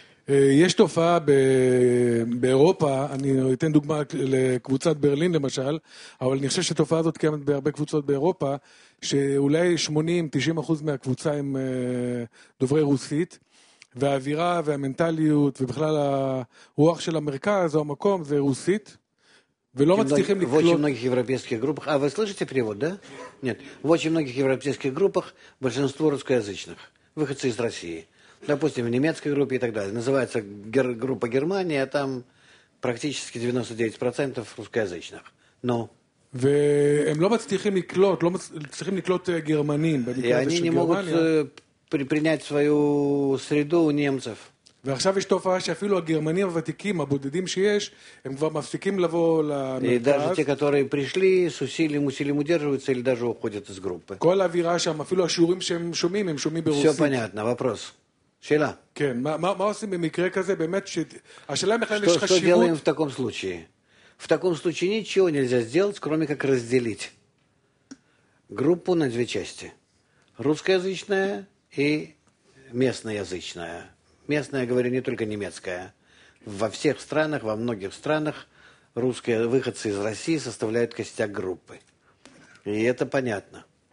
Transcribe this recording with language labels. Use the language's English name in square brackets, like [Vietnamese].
[Hebrew] יש תופעה באירופה, אני אתן דוגמה לקבוצת ברלין למשל, אבל אני חושב שתופעה הזאת קיימת בהרבה קבוצות באירופה, שאולי 80-90% מהקבוצה הם דוברי רוסית, והאווירה והמנטליות ובכלל הרוח של המרכז או המקום זה רוסית, ולא מצליחים לקלוט. [Russian] В очень многих европейских группах, а вы слышите перевод, да? Нет. В очень многих европейских группах большинство русскоязычных, выходцы из России. Допустим, в немецкой группе и так далее. Называется группа Германии, а там практически 99% русскоязычных. Но... И они не могут принять свою среду у немцев. [Hebrew] ועכשיו יש תופעה שאפילו הגרמנים הוותיקים, הבודדים שיש, הם כבר מפסיקים לבוא למרכז. [Russian] И даже те, которые пришли, с усилием удерживаются или даже уходят из группы. [Hebrew] כל האווירה שם, אפילו השיעורים שהם שומעים, הם שומעים ברוסית. [Russian] Все понятно, вопрос. שאלה. [Hebrew] כן, מה עושים במקרה כזה, באמת, השאלה מכלל יש חשיבות. [Russian] Что делаем в таком случае? В таком случае ничего нельзя сделать, кроме как разделить группу на две части. Русскоязычная и местноязычная. Местная, я говорю, не только немецкая. Во всех странах, во многих странах русские выходцы из России составляют костяк группы. И это понятно.